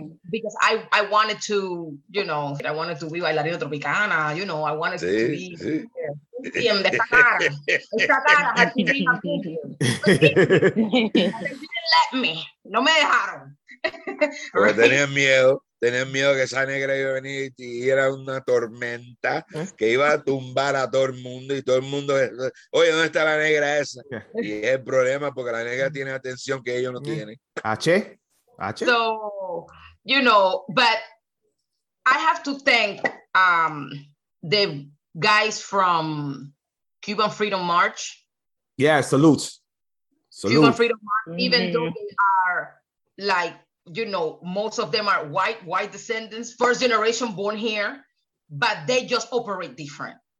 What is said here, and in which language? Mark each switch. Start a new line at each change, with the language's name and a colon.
English: Because I wanted to, you know, I wanted to be
Spanish: bailarina tropicana,
English: you know, I wanted to be they didn't let me.
Spanish: No me dejaron. Porque tenía miedo que esa negra iba a venir y era una tormenta que iba a tumbar a todo el mundo y todo el mundo, oye, ¿dónde está la negra esa? Y es el problema porque la negra tiene atención que ellos no tienen. H.
English: So, you know, but I have to thank the guys from Cuban Freedom March. Yeah, salutes. Cuban Freedom March, even though they are like, you know, most of them are white descendants, first generation born here, but they just operate different.